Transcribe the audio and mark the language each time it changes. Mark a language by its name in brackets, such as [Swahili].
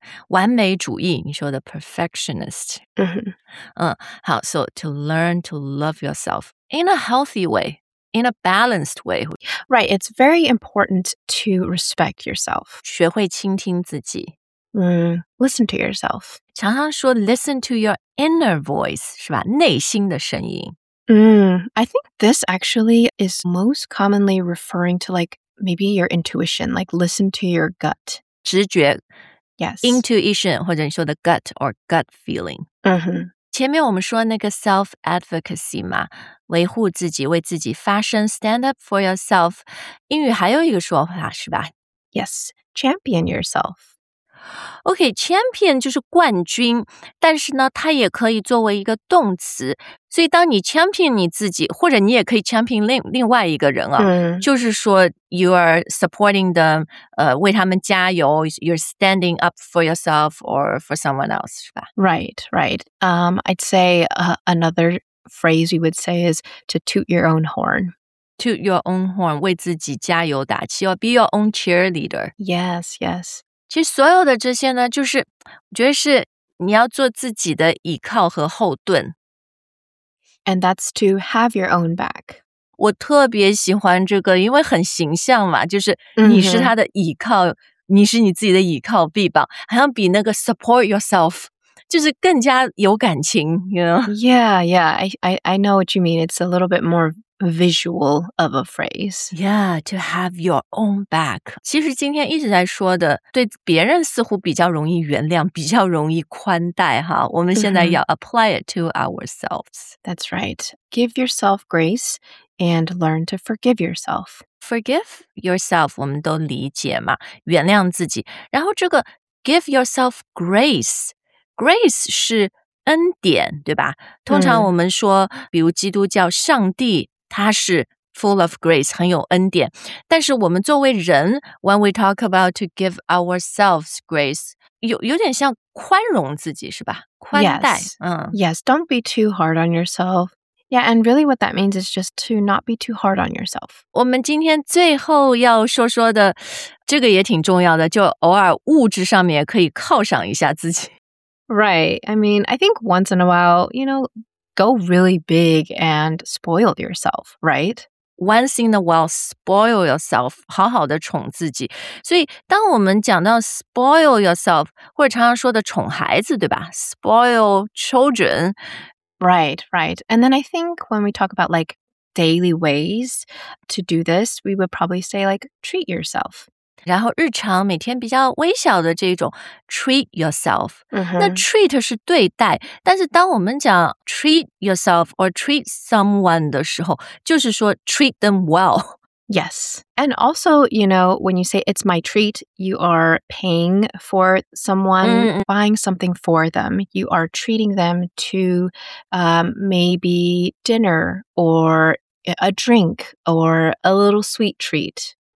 [Chinese] 完美主义，你说的 perfectionist. Mm-hmm. 好 [English] so to learn to love yourself in a healthy way, in a balanced way. Right, it's very important to respect yourself. [Chinese] 学会倾听自己。 [English] Listen to yourself. [Chinese] 常常说 [English] listen to your inner voice, [Chinese] 是吧？内心的声音。 [English] I think this actually is most commonly referring to like maybe your intuition, like listen to your gut. [Chinese] 直觉。 [English] Yes. Intuition, [Chinese] 或者你说的 [English] gut or gut feeling. Mm-hmm. [Chinese] 前面我们说那个 self-advocacy 嘛，维护自己，为自己发声 [English] stand up for yourself. [Chinese] 英语还有一个说法是吧？ [English] Yes, champion yourself. [Chinese] Okay, champion 就是冠军，但是呢，它也可以作为一个动词。所以当你 champion 你自己，或者你也可以 champion 另外一个人啊，就是说 [English] you are supporting them, [Chinese] 为他们加油 [English] you're standing up for yourself or for someone else, [Chinese] 是吧？ [English] Right, right. I'd say another phrase we would say is to toot your own horn. Toot your own horn, [Chinese] 为自己加油打气 [English] or be your own cheerleader. Yes, yes. [Chinese] 其实所有的这些呢，就是我觉得是你要做自己的依靠和后盾。 [English] And that's to have your own back. [Chinese] 我特别喜欢这个，因为很形象嘛，就是你是他的倚靠，你是你自己的倚靠臂膀，好像比那个 [English] support yourself [Chinese] 就是更加有感情 [English] you know? Yeah, yeah, I know what you mean. It's a little bit more visual of a phrase. Yeah, to have your own back. [Chinese] 其实今天一直在说的，对别人似乎比较容易原谅，比较容易宽待哈。我们现在要 [English] apply it to ourselves. That's right. Give yourself grace and learn to forgive yourself. [Chinese] Forgive yourself, 我们都理解嘛，原谅自己。然后这个 give yourself grace, grace 是恩典，对吧？通常我们说，比如基督教上帝他是 [English] full of grace, [Chinese] 很有恩典。但是我们作为人 [English] when we talk about to give ourselves grace, [Chinese] 有点像宽容自己是吧宽待。 [English] Yes. Yes, don't be too hard on yourself. Yeah, and really what that means is just to not be too hard on yourself. [Chinese] 我们今天最后要说说的这个也挺重要的就偶尔物质上面也可以犒赏一下自己。 [English] Right, I mean, I think once in a while, you know,go really big and spoil yourself, right? Once in a while, spoil yourself, [Chinese] 好好的宠自己。所以当我们讲到 [English] spoil yourself, [Chinese] 或者常常说的宠孩子，对吧？ [English] Spoil children. Right, right. And then I think when we talk about like daily ways to do this, we would probably say like treat yourself. [Chinese] 然后日常每天比较微小的这种 treat yourself、那 treat 是对待但是当我们讲 [English] treat yourself or treat someone [Chinese] 的时候就是说 [English] treat them well Yes, and also, you know, when you say it's my treat you are paying for someone、buying something for them you are treating them to、maybe dinner or a drink or a little sweet treat